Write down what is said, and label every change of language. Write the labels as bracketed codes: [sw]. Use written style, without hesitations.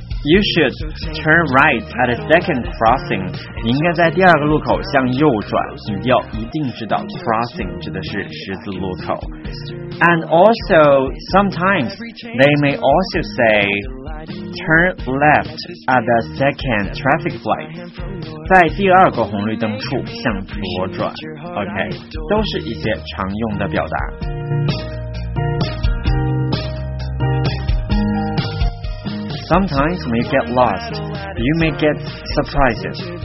[en] You should turn right at the second crossing. [zh] 你应该在第二个路口向右转。你要一定知道 crossing 指的是十字路口。 [en] And also, sometimes, they may also say, turn left at the second traffic light. [zh] 在第二个红绿灯处向左转。OK, 都是一些常用的表达。 [en] Sometimes you may get lost. You may get surprises.